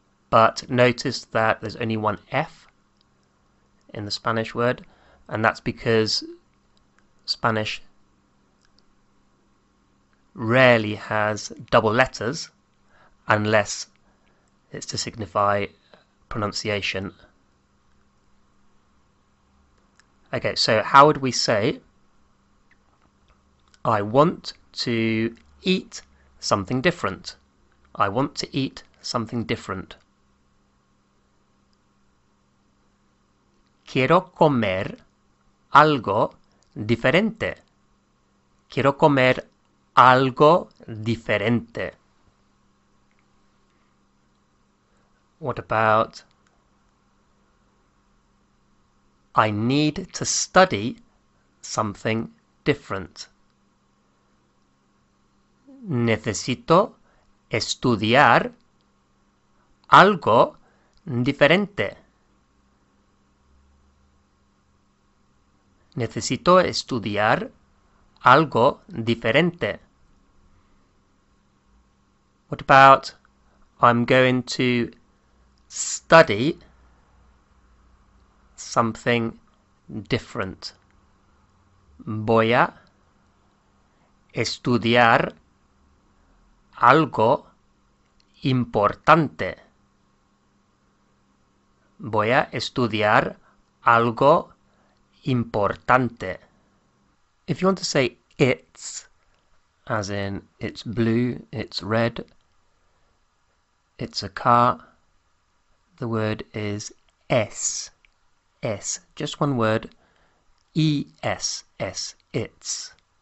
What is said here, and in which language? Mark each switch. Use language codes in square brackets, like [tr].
[en] But notice that there's only one F in the Spanish word, and that's because Spanish rarely has double letters unless it's to signify pronunciation. Okay, so how would we say, I want to eat something different? I want to eat something different. [es] Quiero comer algo diferente. Quiero comer algo diferente. [en] What about, I need to study something different. [es] Necesito estudiar algo diferente. Necesito estudiar algo diferente. [en] What about, I'm going to study something different. [es] Voy a estudiar algo importante. Voy a estudiar algo importante. [en] If you want to say it's, as in it's blue, it's red, it's a car, the word is es, es, just one word, es, es, it's.